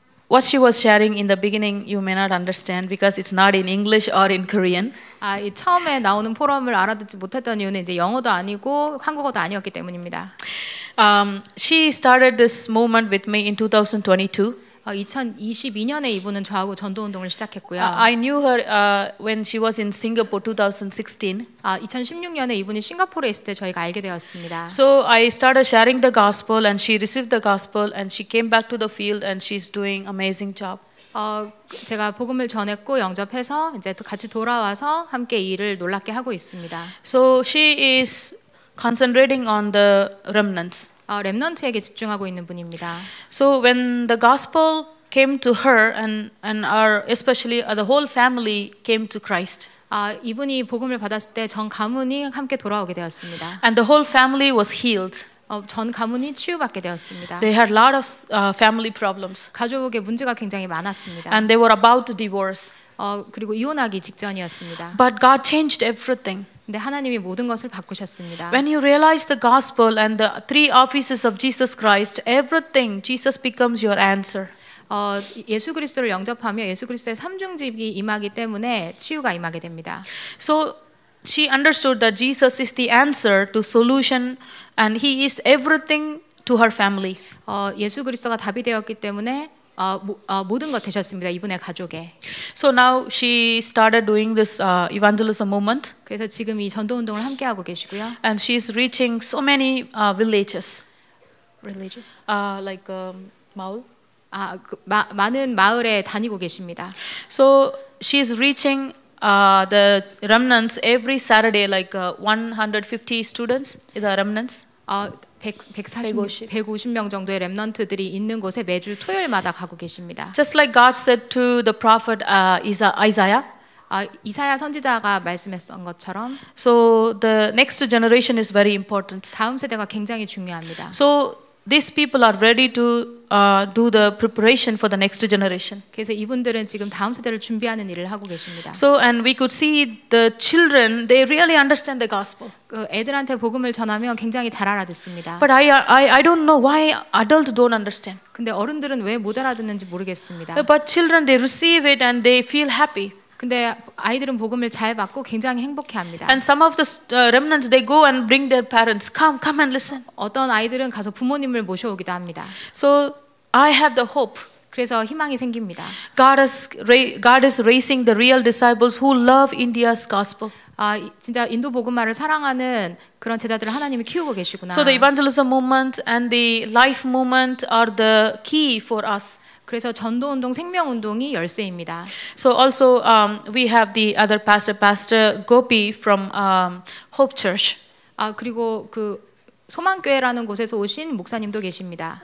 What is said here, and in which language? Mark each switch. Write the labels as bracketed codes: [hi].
[en] What she was sharing in the beginning, you may not understand because it's not in English or in Korean. [ko] 아, 이 처음에 나오는 포럼을 알아듣지 못했던 이유는 이제 영어도 아니고 한국어도 아니었기 때문입니다. [en] She started this movement with me in 2022. [ko] 2022년에 이분은 저하고 전도 운동을 시작했고요. [en] I knew her when she was in Singapore 2016. [ko] 2016년에 이분이 싱가포르에 있을 때 저희가 알게 되었습니다. [en] So I started sharing the gospel and she received the gospel and she came back to the field and she's doing amazing job. [ko] 제가 복음을 전했고 영접해서 이제 또 같이 돌아와서 함께 일을 놀랍게 하고 있습니다. [en] So she is concentrating on the remnants. [ko] 렘넌트에게 집중하고 있는 분입니다. [en] So when the gospel came to her and our especially the whole family came to Christ. [ko] 이분이 복음을 받았을 때 전 가문이 함께 돌아오게 되었습니다. [en] And the whole family was healed. [ko] 전 가문이 치유받게 되었습니다. [en] They had a lot of family problems. [ko] 가족에게 문제가 굉장히 많았습니다. [en] And they were about to divorce. [ko] 그리고 이혼하기 직전이었습니다. [en] But God changed everything. [ko] 근데 하나님이 모든 것을 바꾸셨습니다. [en] When you realize the gospel and the three offices of Jesus Christ, everything Jesus becomes your answer. [ko] 예수 그리스도를 영접하며 예수 그리스도의 삼중직이 임하기 때문에 치유가 임하게 됩니다. [en] So she understood that Jesus is the answer to solution and he is everything to her family. [ko] 예수 그리스도가 답이 되었기 때문에 모든 것 되셨습니다. 이분의 가족에. [en] So now she started doing this evangelism movement. [ko] 그래서 지금 이 전도 운동을 함께 하고 계시고요. [en] And she is reaching so many villages. Religious. [ko] Like 마을. 많은 마을에 다니고 계십니다. [en] So she is reaching the remnants every Saturday, like 150 students, the remnants. [ko] 150명 정도의 렘넌트들이 있는 곳에 매주 토요일마다 가고 계십니다. [en] Just like God said to the prophet Isaiah. [ko] 이사야 선지자가 말씀했던 것처럼. [en] So the next generation is very important. [ko] 다음 세대가 굉장히 중요합니다. [en] So these people are ready to do the preparation for the next generation. [ko] 그래서 이분들은 지금 다음 세대를 준비하는 일을 하고 계십니다. [en] So and we could see the children, they really understand the gospel. [ko] 애들한테 복음을 전하면 굉장히 잘 알아듣습니다. [en] But I don't know why adults don't understand. [ko] 근데 어른들은 왜 못 알아듣는지 모르겠습니다. [en] But children, they receive it and they feel happy. [ko] 근데 아이들은 복음을 잘 받고 굉장히 행복해합니다. [en] And some of the remnants, they go and bring their parents. Come and listen. [ko] 어떤 아이들은 가서 부모님을 모셔오기도 합니다. [en] So I have the hope. [ko] 그래서 희망이 생깁니다. [en] God is raising the real disciples who love India's gospel. [ko] 진짜 인도 복음화를 사랑하는 그런 제자들을 하나님이 키우고 계시구나. [en] So the evangelism movement and the life movement are the key for us. [ko] 그래서 전도 운동, 생명 운동이 열쇠입니다. [en] So also we have the other pastor Gopi from Hope Church. [ko] 그리고 그 소망교회라는 곳에서 오신 목사님도 계십니다.